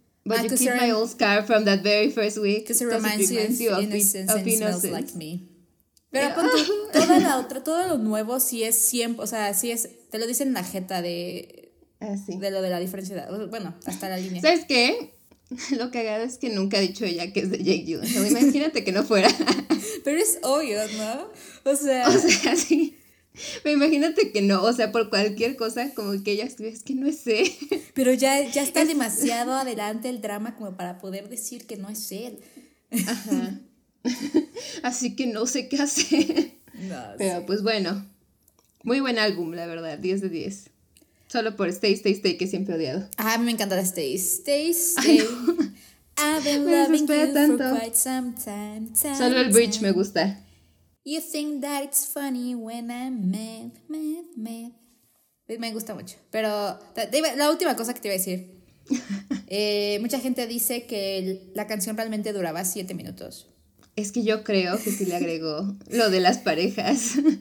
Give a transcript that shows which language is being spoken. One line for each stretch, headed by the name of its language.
English: But you keep my old scar from that very first week. Because it reminds you of innocence and smells like me.
Spanish: Pero con toda la otra, todo lo nuevo sí es siempre, o sea, sí es, te lo dicen la jeta de así, de lo de la diferencia de edad. Bueno, hasta la línea. ¿Sabes qué? Lo cagado es que nunca ha dicho ella que es de Jake Gyllenhaal. Imagínate que no fuera. Pero es obvio, ¿no? O sea. O sea, sí. Me imagínate que no, o sea, por cualquier cosa, como que ella estuviera, es que no es él. Pero ya está demasiado adelante el drama como para poder decir que no es él. Ajá. Así que no sé qué hacer. No, pero sí, pues bueno, muy buen álbum, la verdad, 10 de 10. Solo por Stay, Stay, Stay, que siempre he odiado. Ah, a mí me encanta la Stay, Stay, Stay. Ay, no.
English: I've been me loving you tanto for quite some time, time.
Spanish: Solo el bridge time me gusta.
English: You think that it's funny when I'm mad, mad, mad.
Spanish: Me gusta mucho. Pero la última cosa que te iba a decir. Mucha gente dice que la canción realmente duraba 7 minutos. Es que yo creo que sí le agregó lo de las parejas.